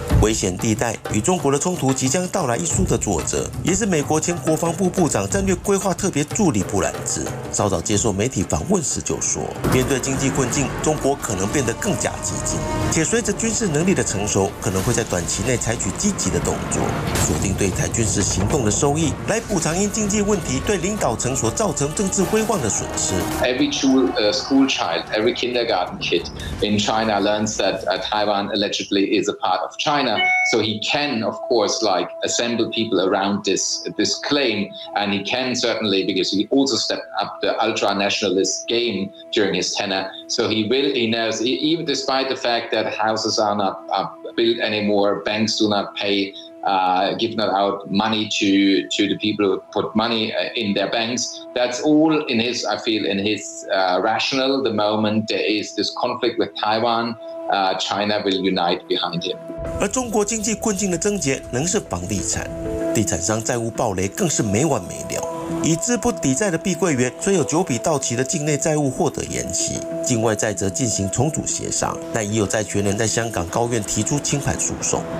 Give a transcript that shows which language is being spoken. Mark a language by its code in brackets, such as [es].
[zh] 危险地带与中国的冲突即将到来一书的作者，也是美国前国防部部长战略规划特别助理布兰兹，稍早接受媒体访问时就说，面对经济困境，中国可能变得更加激进，且随着军事能力的成熟，可能会在短期内采取积极的动作，锁定对台军事行动的收益，来补偿因经济问题对领导层所造成政治威望的损失。 [en] Every school child, every kindergarten kid in China learns that Taiwan allegedly is a part of China, so he can, of course, like assemble people around this claim, and he can certainly because he also stepped up the ultra nationalist game during his tenure. So he knows even despite the fact that houses are not built anymore, banks do not pay. Give not out money to the people who put money in their banks. That's all in his, I feel, in his rational. The moment there is this conflict with Taiwan, China will unite behind him. [zh] 而中国经济困境的症结仍是房地产，地产商债务暴雷更是没完没了。以资不抵债的碧桂园，虽有9笔到期的境内债务获得延期，境外债则进行重组协商，但已有债权人在香港高院提出清盘诉讼。